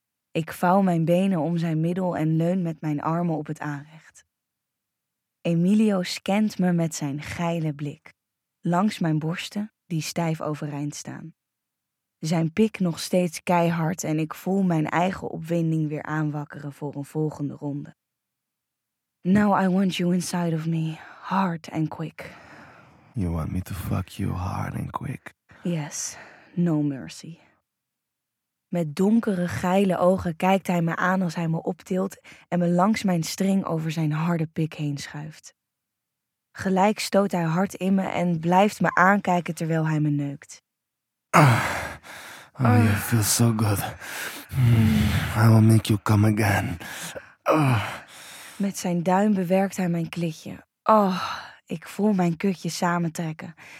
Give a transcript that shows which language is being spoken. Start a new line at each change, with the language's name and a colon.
Dutch: Ik vouw mijn benen om zijn middel en leun met mijn armen op het aanrecht. Emilio scant me met zijn geile blik, langs mijn borsten die stijf overeind staan. Zijn pik nog steeds keihard en ik voel mijn eigen opwinding weer aanwakkeren voor een volgende ronde.
English: Now I want you inside of me, hard and quick. You want me to fuck you hard and quick? Yes, no mercy.
Dutch: Met donkere, geile ogen kijkt hij me aan als hij me optilt en me langs mijn string over zijn harde pik heen schuift. Gelijk stoot hij hard in me en blijft me aankijken terwijl hij me neukt.
English: Oh, you feel so good. I will make you come again.
Dutch: Met zijn duim bewerkt hij mijn klitje. Oh, ik voel mijn kutje samentrekken.